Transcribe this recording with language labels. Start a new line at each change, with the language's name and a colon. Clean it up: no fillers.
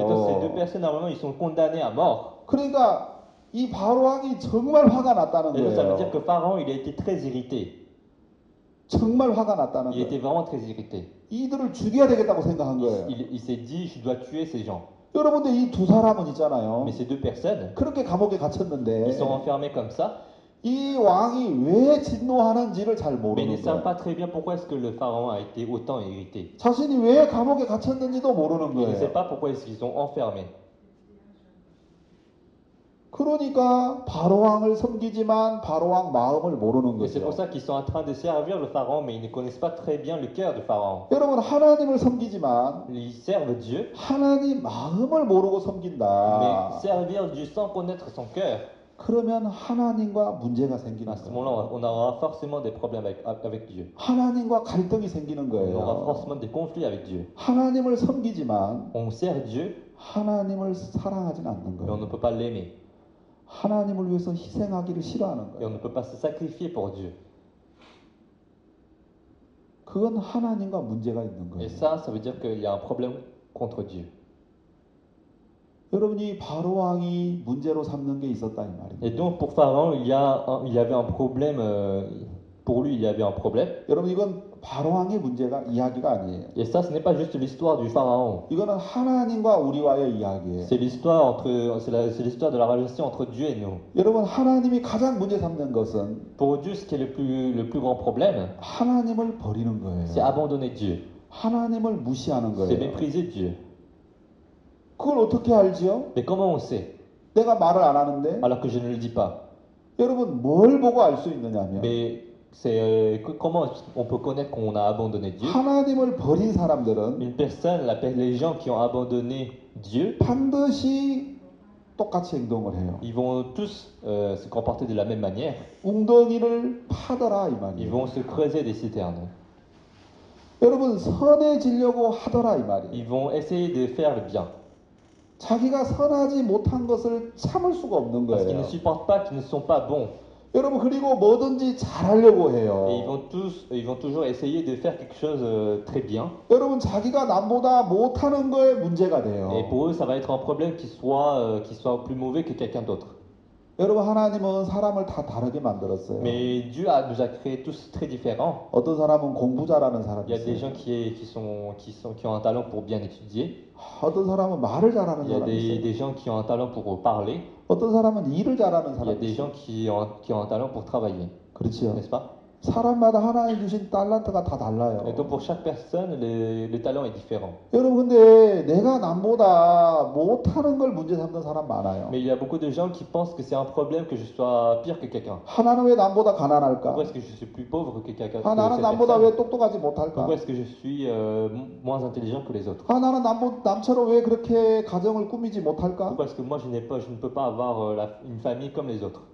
French: Et donc, ces deux personnes, normalement, ils sont condamnés à mort.
Korean: 그러니까 이 바로 왕이 정말 화가 났다는 거예요.
French: Et ça veut dire que Pharaon il a été très irrité.
Korean: 정말 화가 났다는 거예요.
French: Il était vraiment très irrité.
Korean: 이들을 죽여야 되겠다고 생각한 거예요.
French: Il s'est dit je dois tuer ces gens.
Korean: 여러분들 이 두 사람은 있잖아요.
French: Mais ces deux personnes
Korean: 그렇게 감옥에 갇혔는데
French: ils sont enfermés comme ça.
Korean: 이 왕이 왜 진노하는지를 잘 모르는 거예요.
French: Mais ils ne savent pas très bien pourquoi est-ce que le pharaon a été autant irrité.
Korean: 자신이 왜 감옥에 갇혔는지도 모르는 거예요.
French: Ils ne savent pas pourquoi est-ce qu'ils sont enfermés.
Korean: 그러니까 바로 왕을 섬기지만 바로 왕 마음을 모르는 거죠.
French: C'est pour ça qu'ils sont en train de servir le pharaon mais ils ne connaissent pas très bien le cœur du pharaon.
Korean: 여러분 하나님을 섬기지만
French: ils servent Dieu
Korean: 하나님 마음을 모르고 섬긴다.
French: Mais servir Dieu sans connaître son cœur.
Korean: 그러면 하나님과 문제가 생기는 거예요.
French: À ce moment-là, on aura forcément des problèmes avec Dieu.
Korean: 하나님과 갈등이 생기는 거예요.
French: On aura forcément des conflits avec Dieu.
Korean: 하나님을 섬기지만
French: on sert Dieu
Korean: 하나님을 사랑하지 않는 거예요.
French: Et on ne peut pas l'aimer.
Korean: 하나님을 위해서 희생하기를 싫어하는 거예요.
French: Et on ne peut pas se sacrifier pour Dieu.
Korean: 그건 하나님과 문제가 있는 거예요.
French: Et ça, ça veut dire qu'il y a un problème contre Dieu.
Korean: 여러분이 바로 왕이 문제로 삼는 게 있었다 이 말입니다.
French: Et donc pour Pharaon, il y avait un problème pour lui, il y avait un problème.
Korean: 여러분 이건 바로 왕의 문제가 이야기가 아니에요.
French: Et ça, ce n'est pas juste l'histoire du pharaon.
Korean: 이거는 하나님과 우리와의 이야기예요.
French: C'est l'histoire de la relation entre Dieu et nous.
Korean: 여러분 하나님이 가장 문제 삼는 것은
French: Pour Dieu, ce qui est le plus grand problème,
Korean: 하나님을 버리는 거예요.
French: C'est abandonner Dieu.
Korean: 하나님을 무시하는 거예요.
French: C'est mépriser Dieu.
Korean: 그걸 어떻게 알지요?
French: Mais comment on sait?
Korean: 내가 말을 안 하는데.
French: Alors que je ne le dis pas.
Korean: 여러분 뭘 보고 알 수 있느냐면.
French: Comment on peut connaître qu'on a abandonné Dieu?
Korean: 하나님을 버린 사람들은
French: une personne, les gens qui ont abandonné Dieu,
Korean: 반드시 똑같이 행동을 해요.
French: Ils vont tous se comporter de la même manière.
Korean: 웅덩이를 파더라 이 말이에요.
French: Ils vont se creuser des citernes.
Korean: 여러분 선해지려고 하더라 이 말이에요.
French: Ils vont essayer de faire le bien.
Korean: 자기가 선하지 못한 것을 참을 수가 없는 거예요.
French: Parce qu'ils ne supportent pas qu'ils ne sont pas bons.
Korean: 여러분 그리고 뭐든지 잘하려고 해요.
French: Ils vont toujours essayer de faire quelque chose très bien.
Korean: 여러분 자기가 남보다 못하는 거에 문제가 돼요.
French: Et pour eux, ça va être un problème qui soit plus mauvais que quelqu'un d'autre.
Korean: 여러분 하나님은 사람을 다 다르게 만들었어요.
French: Mais Dieu nous a créé tous très différents.
Korean: 어떤 사람은 공부 잘하는 사람이 있어요.
French: Il y a des gens qui ont un talent pour bien étudier.
Korean: 어떤 사람은 말을 잘하는 사람이 있어요.
French: Il y a des gens qui ont un talent pour parler.
Korean: 어떤 사람은 일을 잘하는 사람이 있어요.
French: Il y a des gens qui ont un talent pour travailler.
Korean: 그렇죠.
French: N'est-ce pas?
Korean: 사람마다 하나님 주신 탤런트가 다 달라요.
French: Et donc pour chaque personne, le talent est différent.
Korean: 여러분 근데 내가 남보다 못하는 걸 문제 삼는 사람 많아요.
French: Mais il y a beaucoup de gens qui pensent que c'est un problème que je sois pire que quelqu'un.
Korean: 하나님 왜 남보다 가난할까?
French: Pourquoi est-ce que je suis plus pauvre que quelqu'un?
Korean: 하나님 남보다 왜 똑똑하지 못할까?
French: Pourquoi est-ce que je suis moins intelligent que les autres?
Korean: 하나님 남처럼 왜 그렇게 가정을 꾸미지 못할까?
French: Pourquoi est-ce que moi je ne peux pas avoir une famille comme les autres?